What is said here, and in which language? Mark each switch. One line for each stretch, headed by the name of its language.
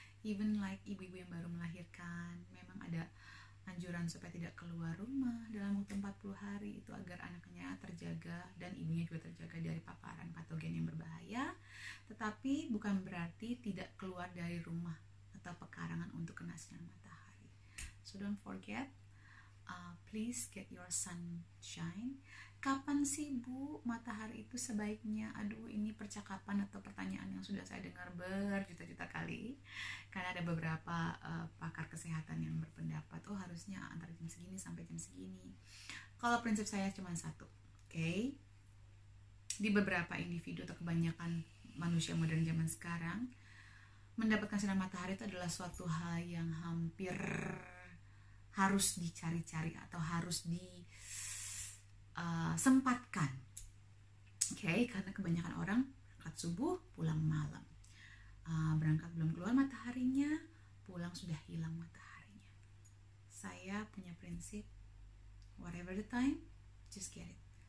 English: Even like
Indonesian: ibu-ibu yang baru melahirkan, memang ada anjuran supaya tidak keluar rumah dalam waktu 40 hari itu agar anaknya terjaga dan ibunya juga terjaga dari paparan patogen yang berbahaya. Tetapi bukan berarti tidak keluar dari rumah atau pekarangan untuk kena sinar matahari.
English: So don't forget, please get your sunshine.
Indonesian: Kapan sih Bu matahari itu sebaiknya? Aduh, ini percakapan atau pertanyaan yang sudah saya dengar berjuta-juta kali. Karena ada beberapa pakar kesehatan yang berpendapat, oh harusnya antara jam segini sampai jam segini. Kalau prinsip saya cuma satu, okay? Di beberapa individu atau kebanyakan manusia modern zaman sekarang, mendapatkan sinar matahari itu adalah suatu hal yang hampir harus dicari-cari atau harus disempatkan, okay? Karena kebanyakan orang berangkat subuh, pulang malam. Berangkat belum keluar mataharinya, pulang sudah hilang mataharinya. Saya punya prinsip,
English: whatever the time, just get it.